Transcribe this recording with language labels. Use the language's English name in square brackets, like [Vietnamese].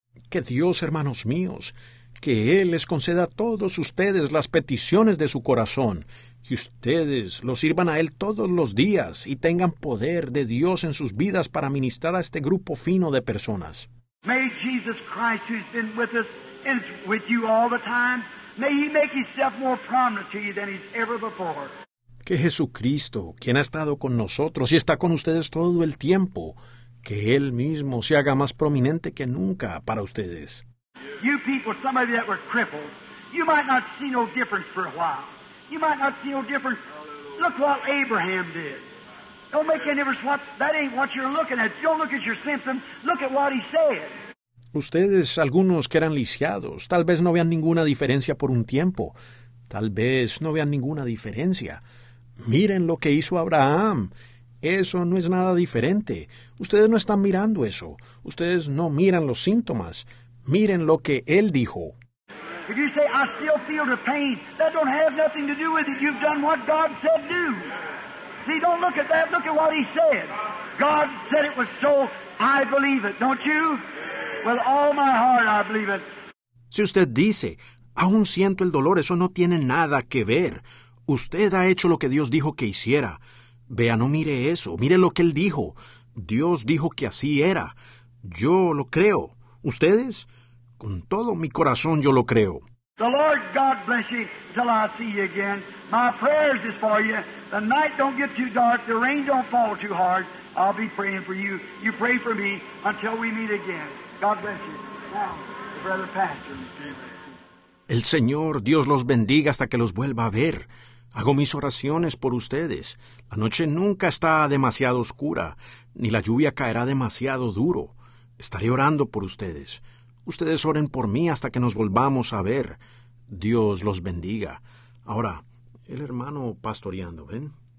[Spanish] Que Dios, hermanos míos, que Él les conceda a todos ustedes las peticiones de su corazón, que ustedes lo sirvan a Él todos los días y tengan poder de Dios en sus vidas para ministrar a este grupo fino de personas. [English] May Jesus Christ, who's been with us and is with you all the time, may He make Himself more prominent to you than He's ever before. [Spanish] Que Jesucristo, quien ha estado con nosotros y está con ustedes todo el tiempo, que Él mismo se haga más prominente que nunca para ustedes. [English] You people, some of you that were crippled, you might not see no difference for a while. You might not see no difference. Look what Abraham did. Don't make any difference. That ain't what you're looking at. Don't look at your symptoms. Look at what he said. [Spanish] Ustedes, algunos que eran lisiados, tal vez no vean ninguna diferencia por un tiempo. Tal vez no vean ninguna diferencia. Miren lo que hizo Abraham. Eso no es nada diferente. Ustedes no están mirando eso. Ustedes no miran los síntomas. Miren lo que él dijo. [English] If you say, I still feel the pain, that don't have nothing to do with it. You've done what God said do. See, don't look at that. Look at what he said. God said it was so. I believe it. Don't you? With all my heart, I believe it. [Spanish] Si usted dice, aún siento el dolor, eso no tiene nada que ver. Usted ha hecho lo que Dios dijo que hiciera. Vea, no mire eso. Mire lo que él dijo. Dios dijo que así era. Yo lo creo. ¿Ustedes? Con todo mi corazón yo lo creo. [English] The Lord God bless you until I see you again. My prayers is for you. The night don't get too dark. The rain don't fall too hard. I'll be praying for you. You pray for me until we meet again. God bless you. Now, the brother pastor. Amen. [Spanish] El Señor Dios los bendiga hasta que los vuelva a ver. Hago mis oraciones por ustedes. La noche nunca está demasiado oscura, ni la lluvia caerá demasiado duro. Estaré orando por ustedes. Ustedes oren por mí hasta que nos volvamos a ver. Dios los bendiga. Ahora, el hermano pastoreando, ¿ven? ¿Eh?